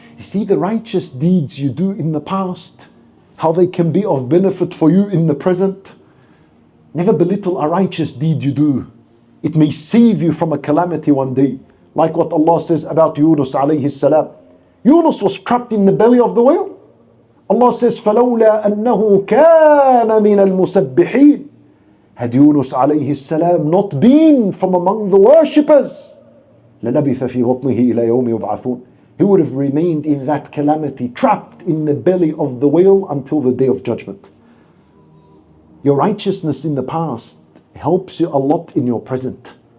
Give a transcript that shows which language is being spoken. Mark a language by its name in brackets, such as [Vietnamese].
[English] You see the righteous deeds you do in the past, how they can be of benefit for you in the present. Never belittle a righteous deed you do. It may save you from a calamity one day. Like what Allah says about Yunus alayhi salam. Yunus was trapped in the belly of the whale. Allah says, [Arabic] فَلَوْلَا أَنَّهُ كَانَ مِنَ الْمُسَبِّحِينَ. [English] Had Yunus alayhi salam not been from among the worshippers, [Arabic] لَلَبِثَ فِي وَطْنِهِ إِلَى يَوْمِ يُبْعَثُونَ. [English] He would have remained in that calamity, trapped in the belly of the whale until the day of judgment. Your righteousness in the past helps you a lot in your present.